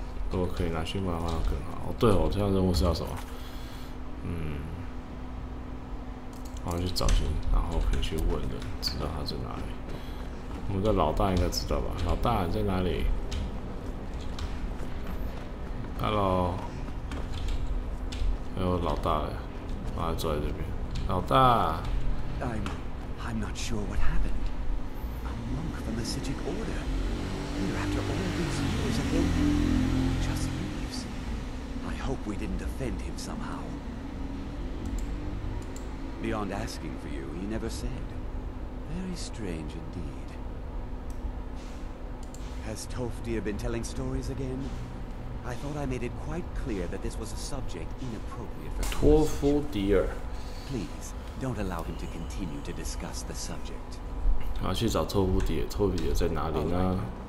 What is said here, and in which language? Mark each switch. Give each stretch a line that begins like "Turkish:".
Chinese: 如果可以拿去卖的话更好。哦，对哦，我这项任务是要什么？嗯，我要去找寻，然后可以去问人，知道他在哪里。我们的老大应该知道吧？老大你在哪里 ？Hello， 还有老大嘞，我还坐在这边。老大
English: ，I'm not sure what happened. A monk from the Sijic Order. Here after all these years, and then just leaves. I hope we didn't offend him somehow. Beyond asking for you, he never said. Very strange indeed. Has Tofdir been telling stories again? I thought I made it quite clear that this was a subject inappropriate for Tofdir. Please, don't allow him to continue to discuss the subject.
Chinese: 我要去找 Tofdir， Tofdir 在哪里呢？